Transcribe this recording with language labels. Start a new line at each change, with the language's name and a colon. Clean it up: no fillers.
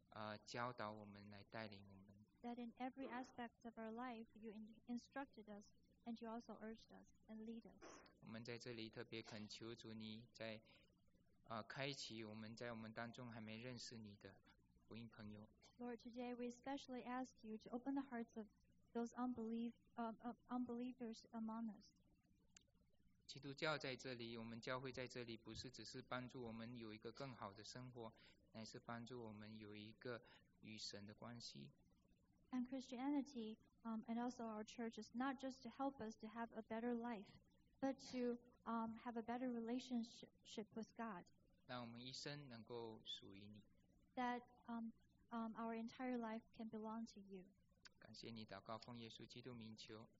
Chinese: 在我们生活当中多般的来督促，多般的来教导我们，来带领我们。
English: That in every aspect of our life, you instructed us, and you also urged us and lead us.
Chinese: 我们在这里特别恳求主你在开启我们在我们当中还没认识你的福音朋友。
English: Lord, today we especially ask you to open the hearts of those unbelievers among us.
Chinese: 基督教在这里，我们教会在这里，不是只是帮助我们有一个更好的生活，乃是帮助我们有一个与神的关系。
English: And Christianity, and also our church, is not just to help us to have a better life, but to have a better relationship with God.
Chinese: 让我们一生能够属于你。
English: That our entire life can belong to you.
Chinese: 感谢你祷告奉耶稣基督名求。